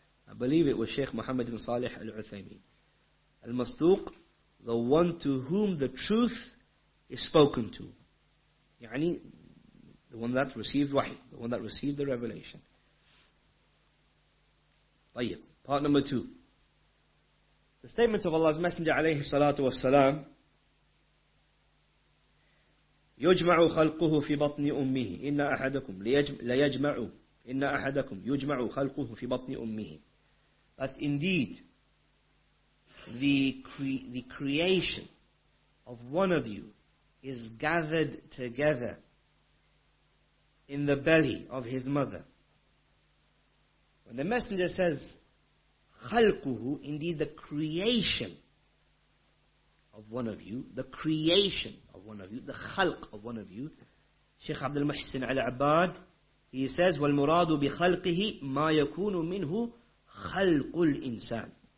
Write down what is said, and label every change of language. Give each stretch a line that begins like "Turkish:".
English: I believe it was Shaykh Muhammad ibn Salih al-Uthaymeen. Al-Masduq, the one to whom the truth is spoken to. The one that received wahi, the one that received the revelation. Tayyib, part number 2. The statement of Allah's Messenger alayhi salatu wasalam,
Arabic: يُجْمَعُ خَلْقُهُ فِي بَطْنِ أُمِّهِ إِنَّ أَحَدَكُمْ لَيَجْمَعُ إِنَّ أَحَدَكُمْ يُجْمَعُ خَلْقُهُ فِي بَطْنِ أُمِّهِ.
English: That indeed, the creation of one of you is gathered together in the belly of his mother. When the Messenger says khalquhu, indeed the creation of one of you, the creation of one of you, the khalq of one of you, Shaykh Abdul Muhsin al-Abbad, he says wal muradu bi khalqihi ma yakunu minhu khalqul insan.